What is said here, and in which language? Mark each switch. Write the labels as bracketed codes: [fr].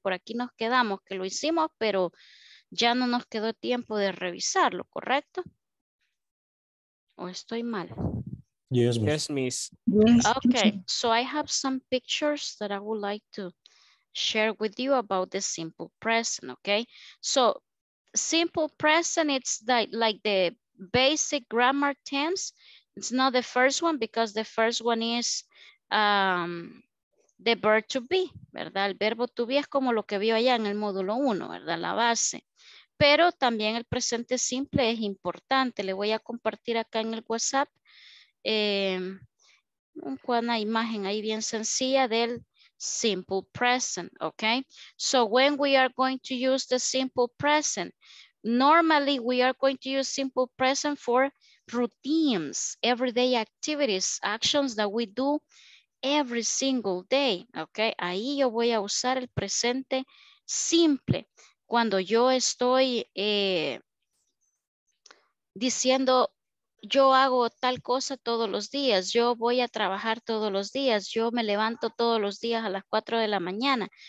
[es] Por aquí nos quedamos que lo hicimos, pero ya no nos quedó tiempo de revisarlo, ¿correcto? ¿O estoy mal? [en] Yes, miss. Yes, miss. Okay, so I have some pictures that I would like to share with you about the simple present, okay? So simple present, it's like the basic grammar tense. It's not the first one because the first one is the verb to be, ¿verdad? [es] El verbo to be es como lo que vio allá en el módulo 1, ¿verdad? La base. Pero también el presente simple es importante. Le voy a compartir acá en el WhatsApp una imagen ahí bien sencilla del simple present, okay? [en] So when we are going to use the simple present, normally we are going to use simple present for routines, everyday activities, actions that we do every single day, okay? [es] Ahí yo voy a usar el presente simple. Cuando yo estoy diciendo, yo hago tal cosa todos los días, yo voy a trabajar todos los días, yo me levanto todos los días a las 4 de la mañana.